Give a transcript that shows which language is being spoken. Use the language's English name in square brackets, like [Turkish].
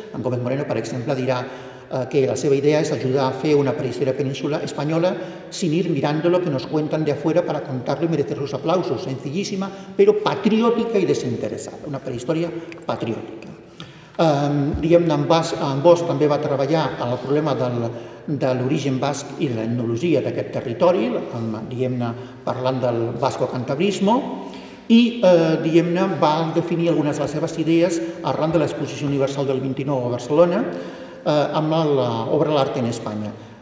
[Catalan] En Gómez Moreno, per exemple, dirà que la seva idea és ajudar a fer una prehistòria península espanyola [Spanish] sin ir mirando lo que nos cuentan de afuera para contarlo y merecer los aplausos. Sencillísima, pero patriótica y desinteresada. [Catalan] Una prehistòria patriótica. En Bosch també va treballar en el problema de l'origen basc i de l'etnologia d'aquest territori, parlant del basco-cantabrismo, i va definir algunes de les seves idees arran de l'Exposició Universal del 29 a Barcelona, amb l'obra L'Arte en Espanya.